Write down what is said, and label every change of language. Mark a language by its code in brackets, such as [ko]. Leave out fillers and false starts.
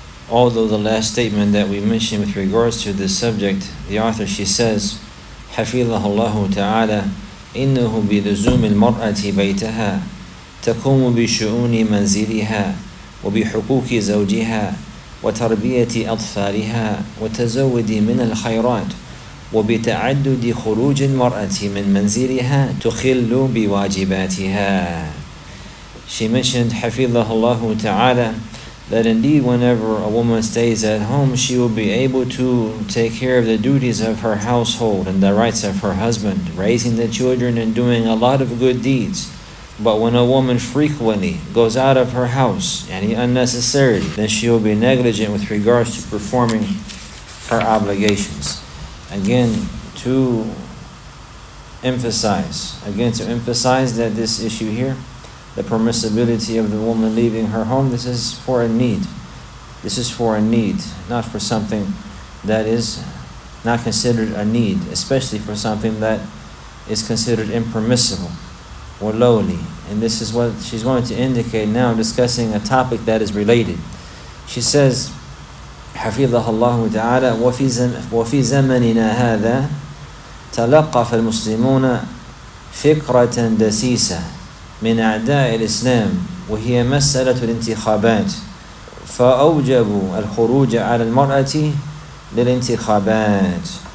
[en] Although the last statement that we mentioned with regards to this subject, the author, she says, [ar] حَفِظَهُ اللَّهُ تَعَالَى إِنَّهُ بِلُزُومِ الْمَرْأَةِ بَيْتَهَا تَكُومُ بِشُؤُونِ مَنْزِلِهَا وَبِحُقُوكِ زَوْجِهَا وَتَرْبِيَةِ أَطْفَالِهَا وَتَزَوُّدِ مِنَ الْخَيْرَاتِ وَبِتَعَدُّدِ خُرُوجِ الْمَرْأَةِ مِنْ مَنْزِلِهَا تُخِلُّ بِوَاجِبَاتِهَا. [en] She mentioned, [ar] حَفِظَهُ اللَّهُ تَعَالَى, [en] that indeed whenever a woman stays at home, she will be able to take care of the duties of her household and the rights of her husband, raising the children and doing a lot of good deeds. But when a woman frequently goes out of her house, any unnecessarily, then she will be negligent with regards to performing her obligations. Again, to emphasize that this issue here, the permissibility of the woman leaving her home, this is for a need. This is for a need, not for something that is not considered a need, especially for something that is considered impermissible or lowly. And this is what she's going to indicate now, discussing a topic that is related. She says, [ar] حَفِظَهَ اللَّهُ تَعَالَى وَفِي زَمَنِنَا هَذَا تَلَقَّفَ الْمُسْلِمُونَ فِكْرَةً دَسِيسَةً من أعداء الإسلام وهي مسألة الانتخابات فأوجبوا الخروج على المرأة للانتخابات.